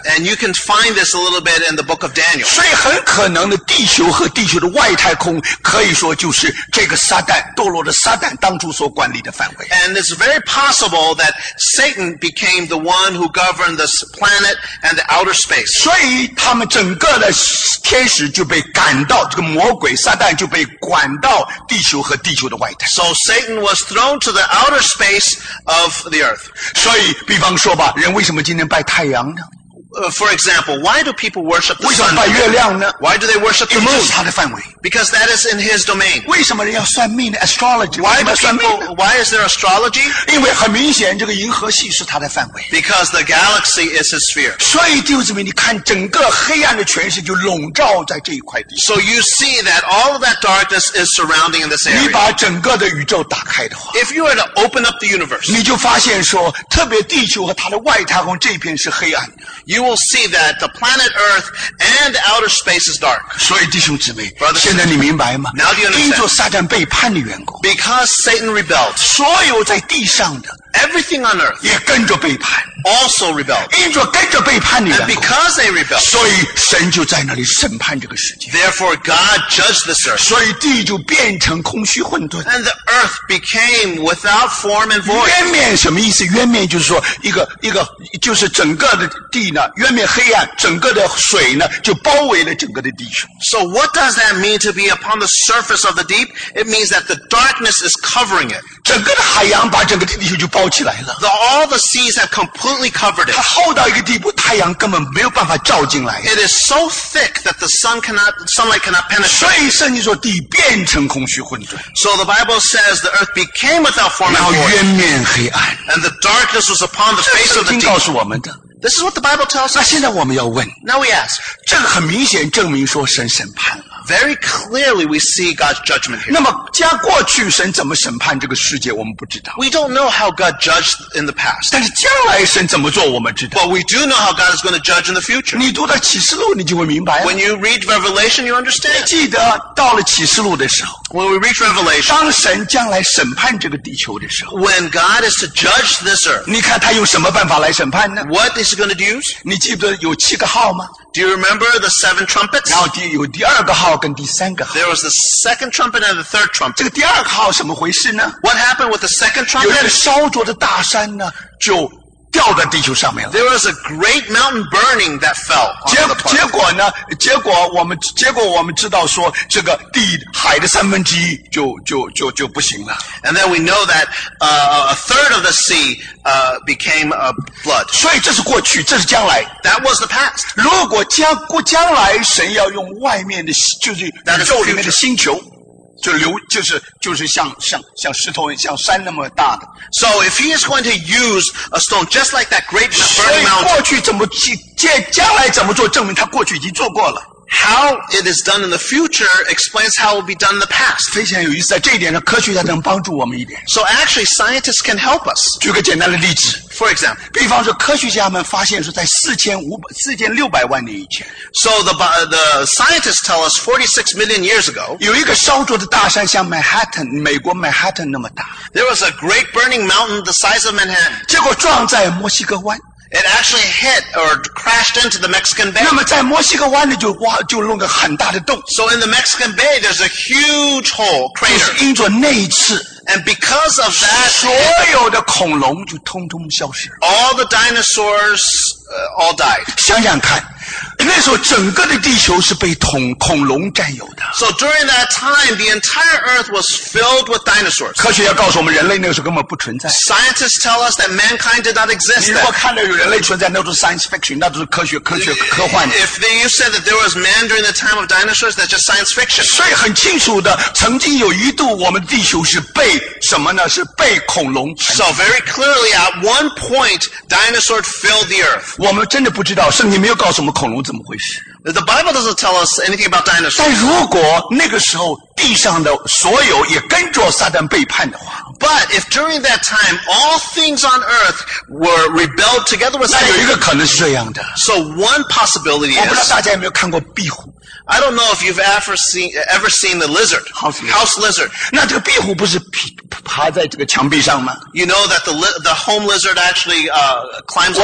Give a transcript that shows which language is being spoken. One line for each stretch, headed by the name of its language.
English: And you can find this a little bit in the book of Daniel.
Chinese: 所以很可能的地球和地球的外太空可以说就是这个撒旦堕落的撒旦当初所管理的范围。
English: And it's very possible that Satan became the one who governed this planet and the outer space.
Chinese: 所以他们整个的天使就被赶到这个魔鬼撒旦就被管到地球和地球的外太空。
English: So Satan was thrown to the outer space of the earth.
Chinese: 所以比方说吧人为什么今天拜太阳呢
English: For example, why do people worship the sun?
Chinese: 为什么拜月亮呢?
English: Why do they worship the moon?
Chinese: 因为这是他的范围。
English: Because that is in his domain.
Chinese: 为什么人要算命呢?Astrology.
English: Why do people, why is there astrology?
Chinese: 因为很明显这个银河系是他的范围。
English: Because the galaxy is his sphere.
Chinese: 所以弟兄姊妹你看整个黑暗的权势就笼罩在这一块地。
English: So you see that all of that darkness is surrounding in this area.
Chinese: 你把整个的宇宙打开的话。
English: If you were to open up the universe.
Chinese: 你就发现说特别地球和它的外太空这一片是黑暗的。
English: You will see that the planet Earth and outer space is dark.
Chinese: 所以弟兄姊妹 Brothers, 现在你明白吗
English: Now do you understand?
Chinese: 因着撒旦背叛的缘故
English: Because Satan rebelled.
Chinese: 所有在地上的
English: Everything on Earth
Chinese: 也跟着背叛
English: Also rebelled.
Chinese: 因着跟着背叛的缘故
English: And because they rebelled.
Chinese: 所以神就在那里审判这个世界
English: Therefore God judged this Earth.
Chinese: 所以地就变成空虚混沌
English: And the Earth became without form and void.
Chinese: 渊面什么意思渊面就是说一个就是整个的地呢渊面黑暗整个的水呢就包围了整个的地球
English: So what does that mean to be upon the surface of the deep? It means that the darkness is covering it
Chinese: 整个的海洋把整个地球就包起来了
English: All the seas have completely covered it
Chinese: 它厚到一个地步太阳根本没有办法照进来
English: It is so thick that the sunlight cannot penetrate
Chinese: 所以圣经说地变成空虚混沌
English: So the Bible says the earth became without form and void
Chinese: 然后渊面黑暗
English: And the darkness was upon the face of the deep
Chinese: 这是圣经告诉我们的
English: This is what the Bible tells us.
Chinese: 那现在我们要问。
English: Now we ask.
Chinese: 这个很明显证明说神审判了。
English: very clearly we see God's judgment here.
Chinese: 那么加过去神怎么审判这个世界我们不知道。
English: We don't know how God judged in the past.
Chinese: 但是将来神怎么做我们知道。
English: But we do know how God is going to judge in the future.
Chinese: 你读到启示录你就会明白了。
English: When you read Revelation, you understand.
Chinese: 记得到了启示录的时候。
English: When we reach Revelation.
Chinese: 当神将来审判这个地球的时候。
English: When God is to judge this earth.
Chinese: 你看他用什么办法来审判呢
English: ?What is he going to use?
Chinese: 你记得有七个号吗
English: Do you remember the seven trumpets?
Chinese: 然后有第二个号跟第三个号。
English: There was the second trumpet and the third trumpet.
Chinese: 这个第二个号怎么回事呢
English: ?What happened with the second trumpet?
Chinese: 有一个烧灼的大山呢就掉在地球上面了。
English: There was a great mountain burning that fell.
Chinese: 结果我们知道说这个地海的三分之一就不行了。
English: And then we know that, a third of the sea, became a flood.
Chinese: 所以这是过去这是将来。
English: That was the past.
Chinese: 如果将来神要用外面的就是宇宙里面的星球。就是像石头像山那么大的。
English: So if he is going to use a stone just like that great burning mountain.
Chinese: 过去怎么将来怎么做证明他过去已经做过了。
English: How it is done in the future explains how it will be done in the past.
Chinese: 非常有意思在这一点呢科学家能帮助我们一点。
English: So actually, scientists can help us.
Chinese: 举个简单的例子。
English: For example,
Chinese: 比方说科学家们发现说在4600万年以前。
English: So the scientists tell us 46 million years ago,
Chinese: 有一个烧灼的大山像Manhattan, 美国Manhattan那么大。
English: There was a great burning mountain the size of Manhattan.
Chinese: 结果撞在墨西哥湾。
English: It actually hit or crashed into the Mexican Bay.
Chinese: 那么在墨西哥湾里就弄个很大的洞。
English: So in the Mexican Bay, there's a huge hole, crater.
Chinese: 就是因着那一次。
English: And because of that,
Chinese: 所有的恐龙就通通消失。
English: All the dinosaurs, all died.
Chinese: 想想看。那时候整个的地球是被恐龙占有的。
English: So during that time, the entire earth was filled with dinosaurs.
Chinese: 科学家告诉我们人类那个时候根本不存在。
English: Scientists tell us that mankind did not exist.
Chinese: 你如果看到有人类存在那都是
English: science fiction,
Chinese: 那都是科学科幻。
English: If you said that there was man during the time of dinosaurs, that's just science fiction.
Chinese: 所以很清楚的曾经有一度我们地球是被什么呢是被恐龙。
English: So very clearly, at one point, dinosaurs filled the earth.
Chinese: 我们真的不知道圣经没有告诉我们恐龙怎么回事
English: The Bible doesn't tell us anything about dinosaurs.
Chinese: 但如果那个时候地上的所有也跟着撒旦背叛的话
English: But if during that time all things on earth were rebelled together with
Chinese: Satan, 那有一个可能是这样的
English: So one possibility is
Chinese: 我不知道大家有没有看过壁虎
English: I don't know if you've ever seen the lizard house lizard
Chinese: 那这个壁虎不是爬在这个墙壁上吗
English: You know that the home lizard actually climbs on the walls